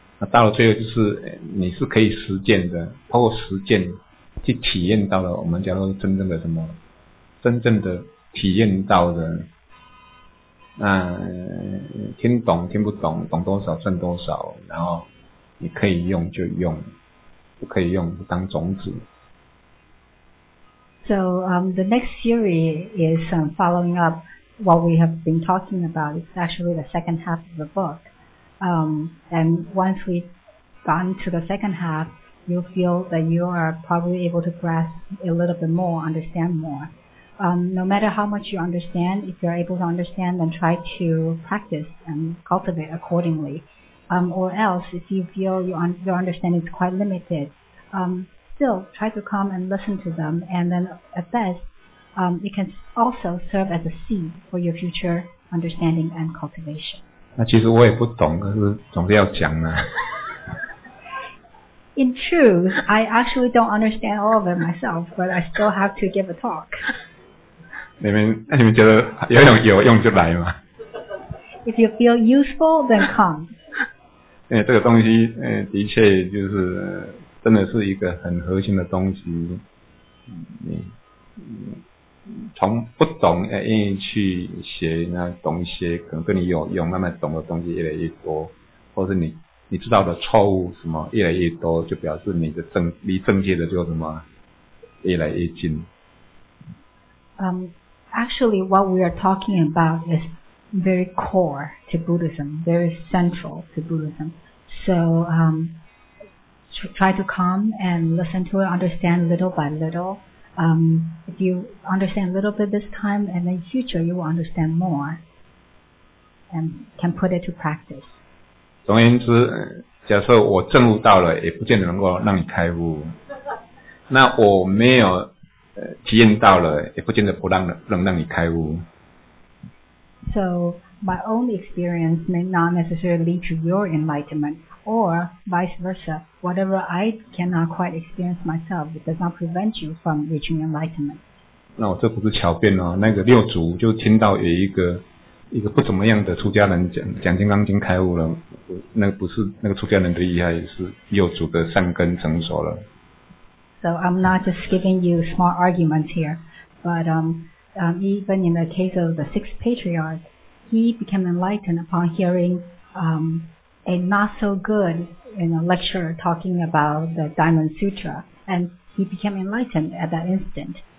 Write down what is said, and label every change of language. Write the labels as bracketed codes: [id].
[zh] 到了最后就是你是可以实践的，透过实践去体验到了我们叫做真正的什么。真正的体验到的，那听懂听不懂，懂多少算多少，然后你可以用就用，不可以用就当种子。 [en] So, the next series is following up what we have been talking about. It's actually the second half of the book. And once we've gone to the second half, you'll feel that you are probably able to grasp a little bit more, understand more. No matter how much you understand, if you're able to understand, then try to practice and cultivate accordingly. Or else, if you feel your understanding is quite limited, still try to come and listen to them. And then at best, it can also serve as a seed for your future understanding and cultivation. [zh] 那其实我也不懂，可是总是要讲啊。 [en] In truth, I actually don't understand all of it myself, but I still have to give a talk. [zh] 你们觉得有用就来嘛。 [en] If you feel useful, then come. [zh] 这个东西的确就是真的是一个很核心的东西。从不懂要愿意去学，那懂一些可能对你有用，慢慢懂的东西越来越多，或是你知道的错误什么越来越多，就表示你的离正确的就什么越来越近。 [en] Actually, what we are talking about is very core to Buddhism, very central to Buddhism. So, try to come and listen to it, understand little by little. If you understand a little bit this time, and in the future, you will understand more and can put it to practice. [zh] 总而言之，假设我证悟到了，也不见得能够让你开悟。那我没有体验到了，也不见得不让能让你开悟。 [en] So my own experience may not necessarily lead to your enlightenment, or vice versa. Whatever I cannot quite experience myself, it does not prevent you from reaching enlightenment. [zh] 那我这不是巧辩哦，那个六祖就听到有一个不怎么样的出家人讲《金刚经》开悟了，那不是那个出家人的厉害，是六祖的善根成熟了。 [en] So I'm not just giving you small arguments here, but even in the case of the sixth patriarch, he became enlightened upon hearing a not so good in a lecture talking about the Diamond Sutra, and he became enlightened at that instant.